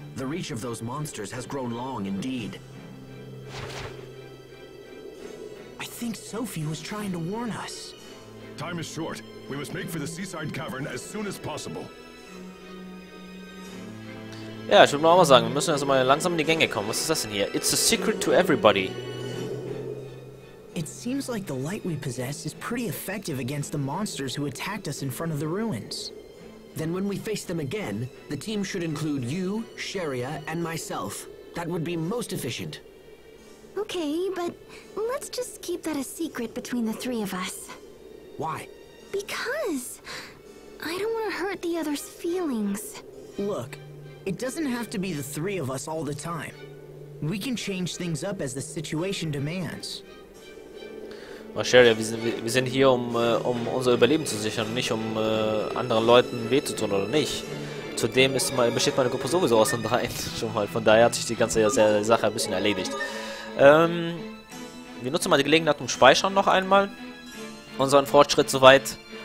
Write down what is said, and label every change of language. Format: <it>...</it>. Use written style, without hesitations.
<en>Each of those monsters has grown long indeed. I think Sophie was trying to warn us. Time is short. We must make for the Seaside Cavern as soon as possible.</en> <de>Ja, ich würde mal auch mal sagen, wir müssen jetzt mal langsam in die Gänge kommen. Was ist das denn hier?</de> <en>It's a secret to everybody. It seems like the light we possess is pretty effective against the monsters who attacked us in front of the ruins. Then when we face them again, the team should include you, Sheria, and myself. That would be most efficient. Okay, but let's just keep that a secret between the three of us. Why? Because I don't want to hurt the other's feelings. Look, it doesn't have to be the three of us all the time. We can change things up as the situation demands.</en> <de>Well, Sherry, wir sind hier, um unser Überleben zu sichern, nicht um anderen Leuten weh zu tun oder nicht. Zudem besteht meine Gruppe sowieso aus den dreien schon mal. Von daher hat sich die ganze Sache ein bisschen erledigt. Wir nutzen mal die Gelegenheit, um speichern noch einmal unseren Fortschritt soweit.</de>